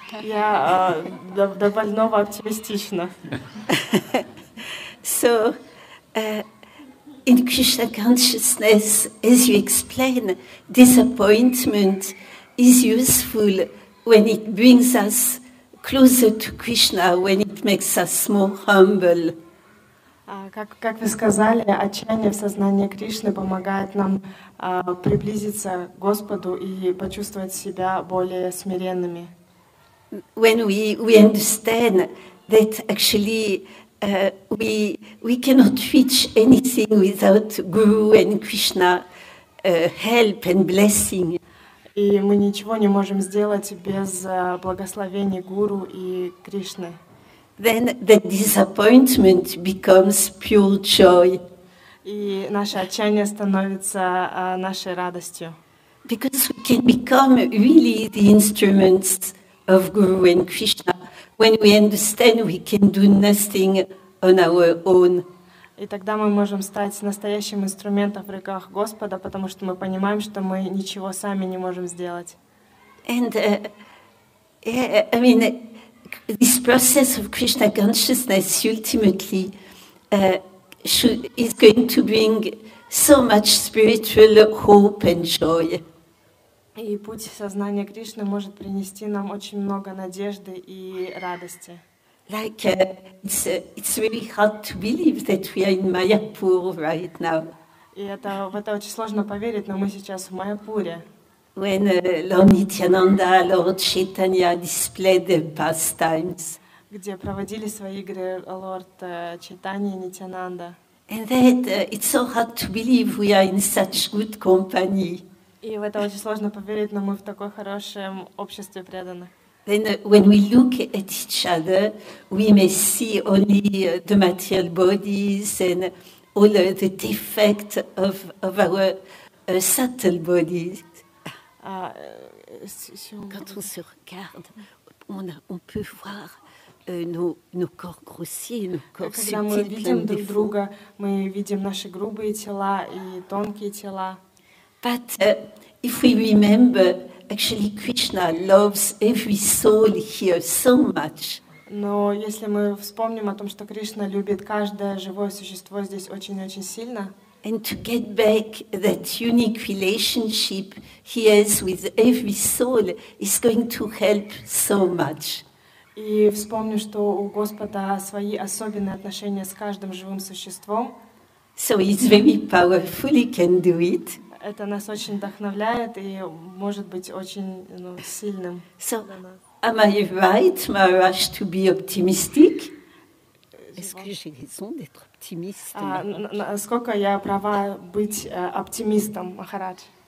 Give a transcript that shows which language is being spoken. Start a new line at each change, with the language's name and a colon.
Russian: Я до больного оптимистична.
English: So, in Krishna consciousness, as you explain, disappointment is useful when it brings us closer to Krishna, when it makes us more humble.
Russian: Как вы сказали, отчаяние в сознании Кришны помогает нам приблизиться к Господу и почувствовать себя более смиренными.
English: When we understand that actually we cannot reach anything without Guru and Krishna help and blessing.
Russian: И мы ничего не можем сделать без благословения Гуру и Кришны.
English: Then the disappointment becomes pure joy.
Russian: И наше отчаяние становится нашей радостью.
English: Because we can become really the instruments of Guru and Krishna when we understand we can do nothing on our own.
Russian: И тогда мы можем стать настоящим инструментом в руках Господа, потому что мы понимаем, что мы ничего сами не можем сделать.
English: And I mean, this process of Krishna consciousness ultimately is going to bring so much spiritual hope and joy.
Russian: И путь сознания Кришны может принести нам очень много надежды и радости.
English: Like it's really hard to believe that we are in Mayapur right now.
Russian: И это очень сложно поверить, но мы сейчас в Майяпуре.
English: When Lord Nityananda, Lord Chaitanya displayed their pastimes.
Russian: Где проводили свои игры Lord Chaitanya и Nityananda.
English: And that it's so hard to believe we are in such good company.
Russian: И в это очень сложно поверить, но мы в такое хорошее общество преданных.
English: Then when we look at each other, we may see only the material bodies and all the defects of our subtle bodies.
French: Quand on se regarde, on peut voir nos corps grossiers, nos corps subtils, plein de défauts.
Russian: Когда мы видим друг друга, мы видим наши грубые тела и тонкие тела.
English: But if we remember, actually, Krishna loves every soul here so much.
Russian: Но если мы вспомним о том, что Кришна любит каждое живое существо здесь очень-очень сильно.
English: And to get back that unique relationship he has with every soul is going to help so much.
Russian: И вспомним, что у Господа свои особенные отношения с каждым живым существом.
English: So it's very powerful, he can do it.
Russian: Это нас очень вдохновляет и может быть очень сильным.
English: So, am I right, Maharaj, to be optimistic?
French: Est-ce que j'ai raison d'être optimiste?
Russian: Насколько я права быть оптимистом, Махарадж?